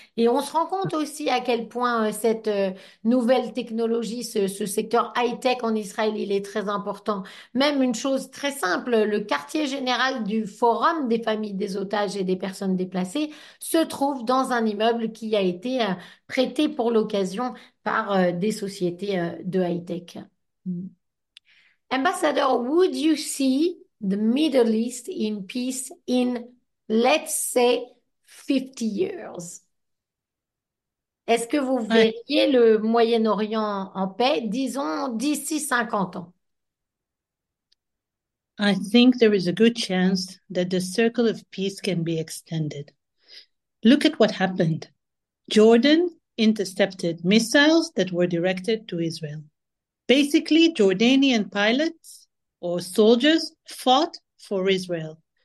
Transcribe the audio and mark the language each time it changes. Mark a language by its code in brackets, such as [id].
[fr] Et on se rend compte aussi à quel point cette nouvelle technologie, ce secteur high-tech en Israël, il est très important. Même une chose très simple, le quartier général du Forum des familles des otages et des personnes déplacées se trouve dans un immeuble qui a été prêté pour l'occasion par des sociétés de high-tech. [en] Ambassador, would you see the Middle East in peace in, let's say, 50 years? [fr] Est-ce que vous verriez le Moyen-Orient en paix, disons, d'ici 50 ans? [en] I think there is a good chance that the circle of peace can be extended. Look at what happened. Jordan intercepted missiles that were directed to Israel. Basically, Jordanian pilots or soldiers fought for Israel.